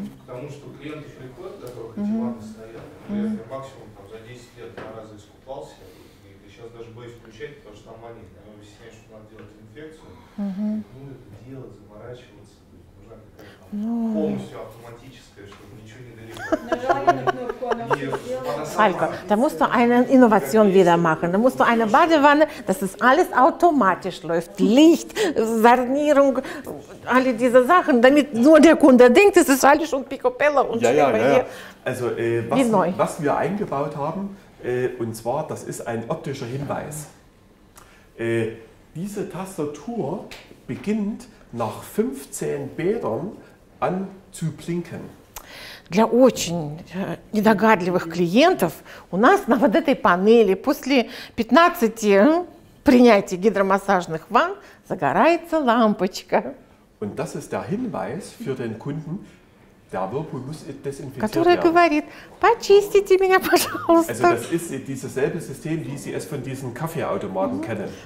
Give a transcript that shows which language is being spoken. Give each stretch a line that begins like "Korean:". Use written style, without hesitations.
Russian: Потому что клиент приходит, который эти ванны стоят, максимум там, за 10 лет два раза искупался, и сейчас даже боюсь включать, потому что там маленькая, но объясняет, что надо делать инфекцию. Ну, это делать, заморачиваться, нужна какая-то полностью автоматическая, чтобы ничего не долетело.
German: Falco, da musst du eine Innovation wieder machen. Da musst du eine Badewanne, dass das alles automatisch läuft. Licht, Sanierung, alle diese Sachen, damit nur der Kunde denkt, es ist alles schon picopello und ja, ja, ja. Also was wir eingebaut haben, und zwar, das ist ein optischer Hinweis. Diese Tastatur beginnt nach 15 Bädern an zu blinken.
Russian: Для очень недогадливых клиентов у нас на вот этой панели после 15 принятий гидромассажных ванн загорается лампочка.
German: Und das ist der Hinweis für den Kunden, der Whirlpool muss desinfiziert werden.
Russian: Который говорит, почистите меня, пожалуйста.
German: Also das ist dieses selbe System, wie Sie es von diesen Kaffeeautomaten kennen.